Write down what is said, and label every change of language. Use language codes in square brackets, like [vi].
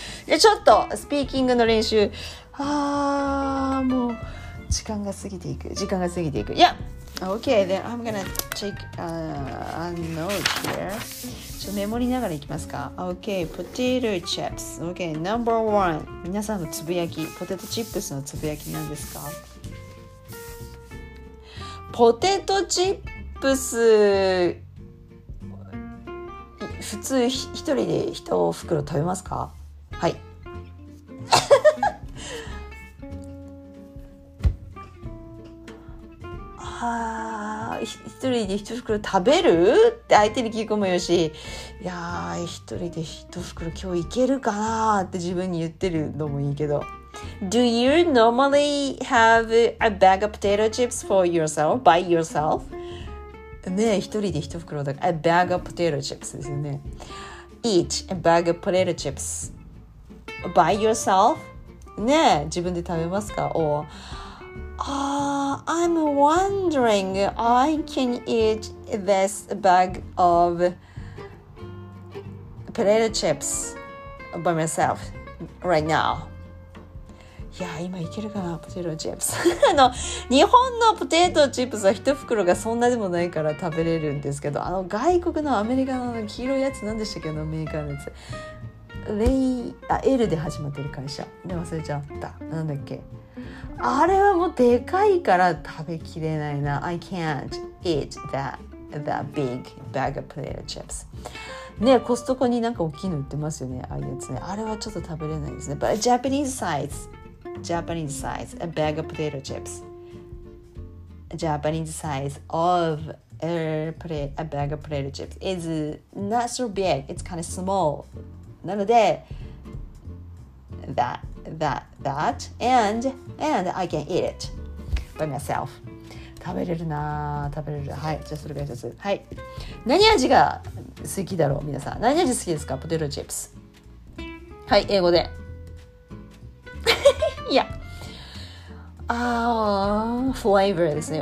[ja] じゃあちょっとスピーキングの練習。ああ、もう時間が過ぎていく。時間が過ぎていく。 [en] Yeah. Okay. Then I'm gonna take a note here. [ja] ちょっとメモりながらいきますか。 [en] Okay. Potato chips. Okay. Number one. [ja] 皆さんのつぶやき、ポテトチップスのつぶやきなんですか。ポテトチップス普通一人で一袋食べますか？はい。ああ一人で一袋食べるって相手に聞くもよし、いや一人で一袋今日いけるかなって自分に言ってるのもいいけど。 [en] Do you normally have a bag of potato chips for yourself, by yourself? [ja] ねえ、一人で一袋だから。 [en] A bag of potato chips [ja] ですよね。 [en] Eat a bag of potato chips by yourself? [ja] ねえ、自分で食べますか? [en] Or, I'm wondering, I can eat this bag of potato chips by myself right now. [ja] いや今いけるかなポテトチップス日本のポテトチップスは一袋がそんなでもないから食べれるんですけどあの外国のアメリカの黄色いやつ何でしたっけあのメーカーのやつレイあ L で始まってる会社で忘れちゃったなんだっけあれはもうでかいから食べきれないな [en] I can't eat that big bag of potato chips [ja] ね、コストコになんか大きいの売ってますよね、ああいうやつね。あれはちょっと食べれないですね。 [en] But Japanese size, Japanese size, a bag of potato chips. Japanese size of a bag of potato chips is not so big. It's kind of small. [ja] なので [en] that and I can eat it. by myself. [ja] 食べれるな、食べれる。はい、じゃあそれが一つ。はい、何味が好きだろう皆さん。何味好きですか？ポテトチップス。はい、英語で。いや、flavor ですね。